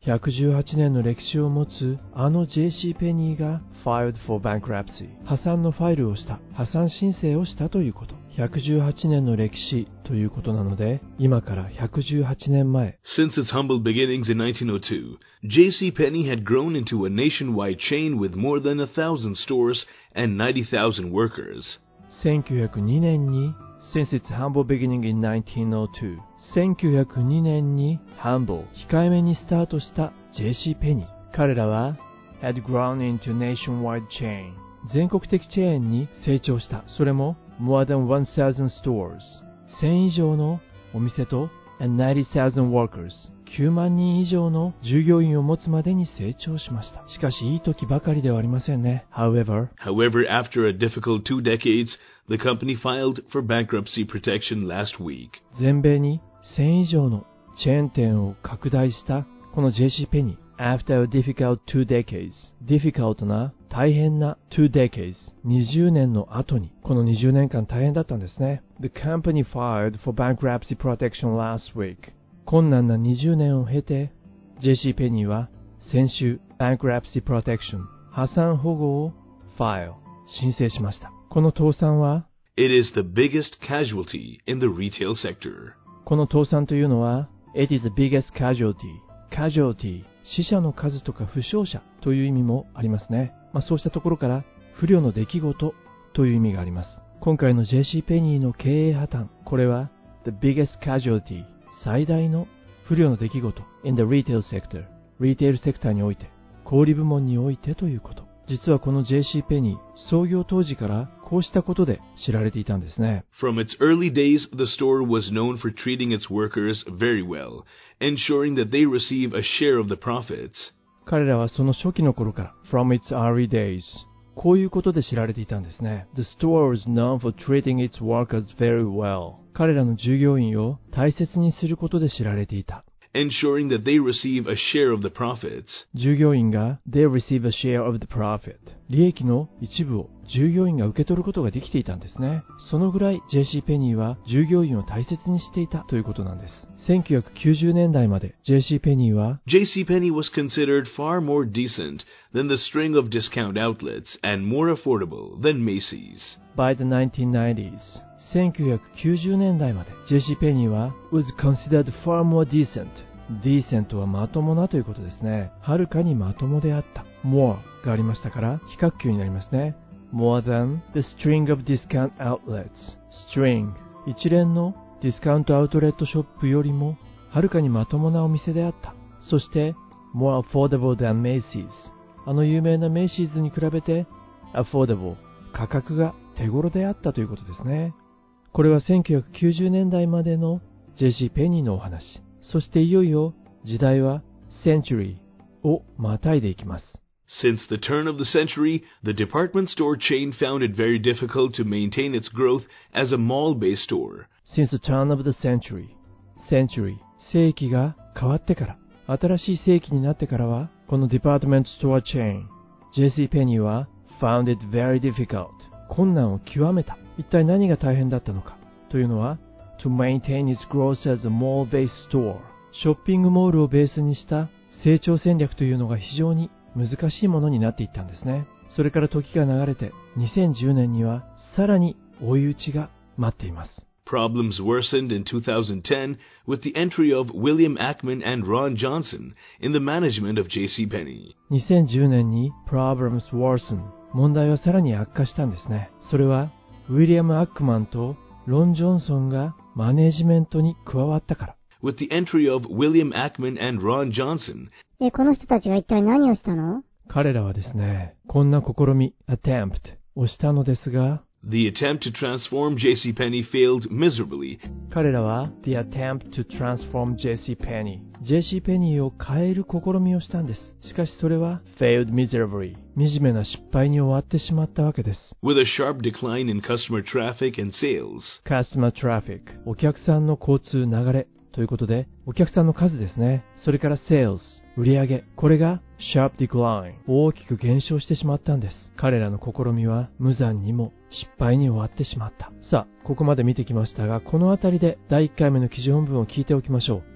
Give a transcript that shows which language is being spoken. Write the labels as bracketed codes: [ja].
[ja] 118年の歴史を持つあの J.C. Penney が [en] filed for bankruptcy. [ja] 破産のファイルをした、破産申請をしたということ。118年の歴史ということなので、今から118年前。 [en] Since its humble beginnings in 1902, J.C. Penney had grown into a nationwide chain with more than 1,000 stores and 90,000 workers. [ja] 1902年に、 [en] Since its humble beginning in 1902. [ja] 1902年に Humble 控えめにスタートした J.C. Penney 彼らは [en] Had grown into nationwide chain [ja] 全国的チェーンに成長したそれも [en] More than 1,000 stores [ja] 1000以上のお店と [en] And 90,000 workers [ja] 9万人以上の従業員を持つまでに成長しましたしかしいい時ばかりではありませんね [en] However, after a difficult two decades The company filed for bankruptcy protection last week [ja] 全米に1000以上のチェーン店を拡大したこの J.C. Penney [en] After a difficult two decades [ja] Difficult な大変な [en] two decades [ja] 20年の後にこの20年間大変だったんですね [en] The company filed for bankruptcy protection last week [ja] 困難な20年を経て J.C. Penney は先週 [en] Bankruptcy protection [ja] 破産保護を [en] file [ja] 申請しましたこの倒産は [en] It is the biggest casualty in the retail sector [ja] この倒産というのは [en] It is the biggest casualty [ja] Casualty 死者の数とか負傷者という意味もありますね、まあ、そうしたところから不慮の出来事という意味があります今回の J.C. Penney の経営破綻これは [en] The biggest casualty [ja] 最大の不慮の出来事 [en] In the retail sector [ja] Retail sector において小売部門においてということ実はこの J.C. Penney 創業当時からこうしたことで知られていたんですね。 [en] From its early days, the store was known for treating its workers very well, ensuring that they receive a share of the profits. [ja] 彼らはその初期の頃から [en] From its early days, [ja] こういうことで知られていたんですね。 [en] The store was known for treating its workers very well. [ja] 彼らの従業員を大切にすることで知られていた。 [en] Ensuring that they receive a share of the profits. [ja] 従業員が [en] They receive a share of the profit. [ja] 利益の一部を従業員が受け取ることができていたんですね。そのぐらい J.C. Penney は従業員を大切にしていたということなんです。 1990年代まで J.C. Penney は J.C. [en] Penney was considered far more decent than the string of discount outlets and more affordable than Macy's. By the 1990s. [ja] 1990年代まで J.C. Penney は [en] was considered far more decent [ja] decent はまともなということですねはるかにまともであった [en] more [ja] がありましたから比較級になりますね [en] more than the string of discount outlets string [ja] 一連のディスカウントアウトレットショップよりもはるかにまともなお店であったそして [en] more affordable than Macy's [ja] あの有名なメイシーズに比べて affordable 価格が手頃であったということですね。これは1990年代までのジェシー・ペニーのお話。そしていよいよ時代は century をまたいでいきます。 [en] Since the turn of the century, the department store chain found it very difficult to maintain its growth as a mall-based store. Since the turn of the century, [ja] century 世紀が変わってから、新しい世紀になってからは、この department store chain、JC Penney は [en] found it very difficult [ja] 困難を極めた。一体何が大変だったのかというのは、 [en] to maintain its growth as a mall-based store [ja] ショッピングモールをベースにした成長戦略というのが非常に難しいものになっていったんですね。それから時が流れて、2010年にはさらに追い打ちが待っています。 [en] Problems worsened in 2010 with the entry of William Ackman and Ron Johnson in the management of JCPenney. [ja] 2010年に [en] problems worsened [ja] 問題はさらに悪化したんですね。それはウィリアム・アックマンとロン・ジョンソンがマネジメントに加わったから。 [en] With the entry of William Ackman and Ron Johnson. [ja] この人たちは一体何をしたの？彼らはですね、こんな試み、attempt をしたのですが、 [en] The attempt to transform JCPenney failed miserably. [ja] 彼らは [en] The attempt to transform JCPenney [ja] JCPenney を変える試みをしたんです。しかしそれは [en] failed miserably [ja] 惨めな失敗に終わってしまったわけです。 [en] With a sharp decline in customer traffic and sales [ja] Customer traffic お客さんの交通流れということでお客さんの数ですね。それから sales 売上これが [en] Sharp decline [ja] 大きく減少してしまったんです。彼らの試みは無残にも失敗に終わってしまった。さあ、ここまで見てきましたが、このあたりで第1回目の記事本文を聞いておきましょう。